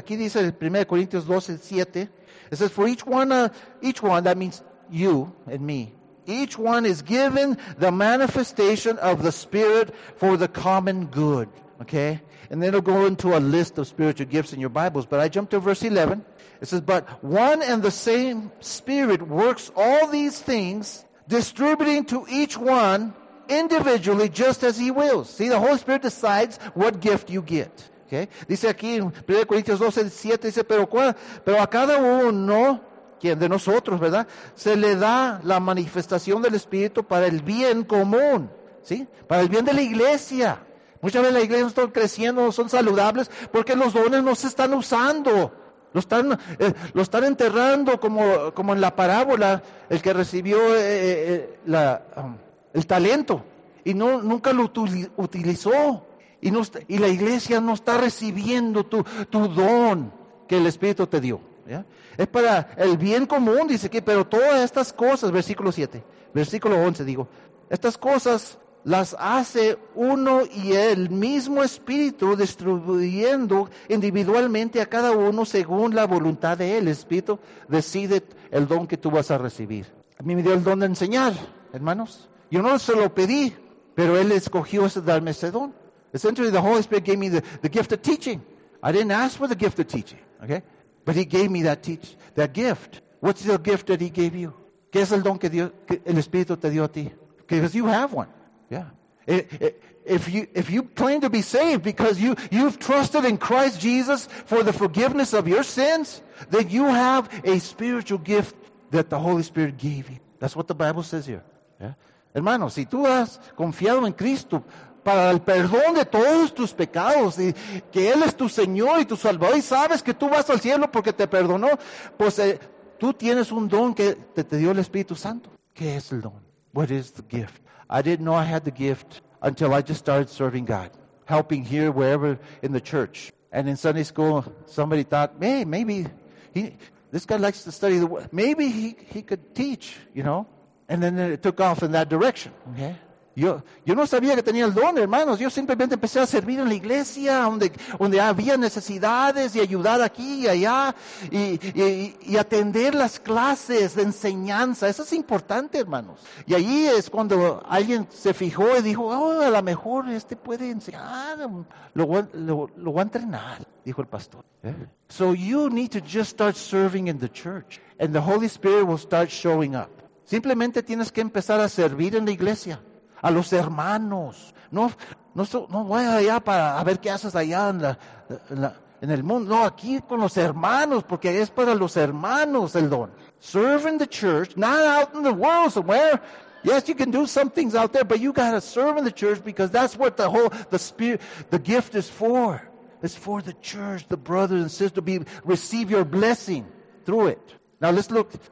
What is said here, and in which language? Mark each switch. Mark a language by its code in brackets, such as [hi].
[es] Aquí dice [en] 1 Corinthians 12, 7. It says, for each one, that means you and me, each one is given the manifestation of the Spirit for the common good, okay? And then it'll go into a list of spiritual gifts in your Bibles. But I jumped to verse 11. It says, but one and the same Spirit works all these things, distributing to each one individually just as He wills. See, the Holy Spirit decides what gift you get. Okay? [es] Dice aquí en 1 Corintios 12, 7, dice, pero a cada uno, ¿quién? De nosotros, ¿verdad? Se le da la manifestación del Espíritu para el bien común. ¿Sí? Para el bien de la iglesia. Muchas veces la iglesia no está creciendo, no son saludables, porque los dones no se están usando. Lo están enterrando como en la parábola, el que recibió el talento y no nunca lo utilizó. Y la iglesia no está recibiendo tu don que el Espíritu te dio. ¿Ya? Es para el bien común, dice aquí, pero todas estas cosas, versículo 7, versículo 11 digo, estas cosas las hace uno y el mismo Espíritu distribuyendo individualmente a cada uno según la voluntad de Él. El Espíritu decide el don que tú vas a recibir. A mí me dio el don de enseñar, hermanos. Yo no se lo pedí, pero Él escogió darme ese don. [en] Essentially, the Holy Spirit gave me the gift of teaching. I didn't ask for the gift of teaching, okay? But He gave me that gift. What's the gift that He gave you? [es] ¿Qué es el don que el Espíritu te dio a ti? [en] Because you have one. Yeah, if you claim to be saved because you've trusted in Christ Jesus for the forgiveness of your sins, then you have a spiritual gift that the Holy Spirit gave you. That's what the Bible says here. Yeah. [es] Hermano, si tú has confiado en Cristo para el perdón de todos tus pecados, y que Él es tu Señor y tu Salvador, y sabes que tú vas al cielo porque te perdonó, pues tú tienes un don que te dio el Espíritu Santo. ¿Qué es el don? [en] What is the gift? I didn't know I had the gift until I just started serving God, helping here, wherever, in the church. And in Sunday school, somebody thought, hey, maybe this guy likes to study the Word. Maybe he could teach, you know? And then it took off in that direction, okay? [es] Yo no sabía que tenía el don, hermanos. Yo simplemente empecé a servir en la iglesia, donde había necesidades, y ayudar aquí y allá, y atender las clases de enseñanza. Eso es importante, hermanos. Y ahí es cuando alguien se fijó y dijo, oh, a lo mejor este puede enseñar, lo voy a entrenar, dijo el pastor. [en] So you need to just start serving in the church, and the Holy Spirit will start showing up. [es] Simplemente tienes que empezar a servir en la iglesia. A los hermanos, no voy allá para a ver qué haces allá en el mundo, no, aquí con los hermanos, porque es para los hermanos el don. [en] Serve in the church, not out in the world somewhere. Yes, you can do some things out there, but you got to serve in the church because that's what the gift is for. It's for the church, the brothers and sisters to be receive your blessing through it. Now let's look.